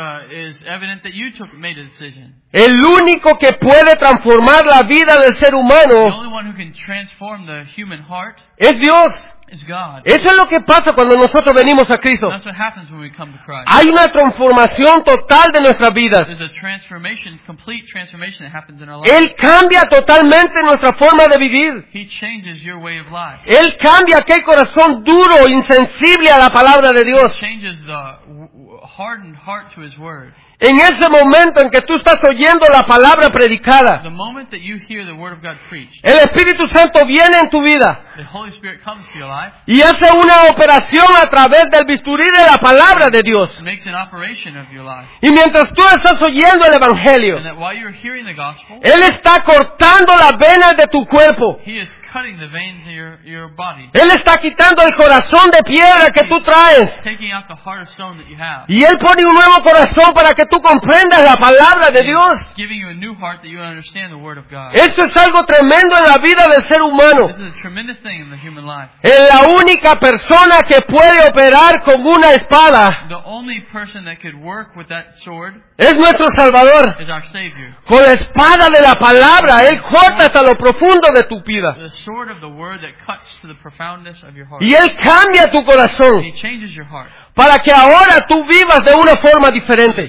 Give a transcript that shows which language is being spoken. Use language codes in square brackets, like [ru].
[en] Is evident that you made a decision. [es] El único que puede transformar la vida del ser humano, [en] the only one who can transform the human heart, [es] es Dios. [en] Is God. [es] Eso es lo que pasa cuando nosotros venimos a Cristo. [en] That's what happens when we come to Christ. [es] Hay una transformación total de nuestras vidas. [en] There's a transformation, complete transformation that happens in our life. [es] Él cambia totalmente nuestra forma de vivir. [en] He changes your way of life. [es] Él cambia aquel corazón duro, insensible a la palabra de Dios. [en] He changes the hardened heart to his word. [es] En ese momento en que tú estás oyendo la palabra predicada, [en] the moment that you hear the word of God preached, [es] el Espíritu Santo viene en tu vida, [en] the Holy Spirit comes to your life, [es] y hace una operación a través del bisturí de la palabra de Dios. [en] Makes an operation of your life. [es] Y mientras tú estás oyendo el Evangelio, [en] and that while you're hearing the gospel, [es] Él está cortando las venas de tu cuerpo. [en] He is cutting the veins of your body. [es] Él está quitando el corazón de piedra que tú traes. [en] Taking out the heart of stone that you have. [es] Y Él pone un nuevo corazón para que tú comprendas la palabra de Dios. [en] Giving you a new heart that you understand the word of God. [es] Esto es algo tremendo en la vida del ser humano. [en] This is a tremendous thing in the human life. [es] Es la única persona que puede operar con una espada. [en] The only person that could work with that sword. [es] Es nuestro Salvador. [en] Is our Savior. [es] Con la espada de la palabra, Él corta hasta lo profundo de tu vida. [en] The sword of the word that cuts to the profoundness of your heart. [es] Y Él cambia tu corazón. [en] He changes your heart. [es] Para que ahora tú vivas de una forma diferente.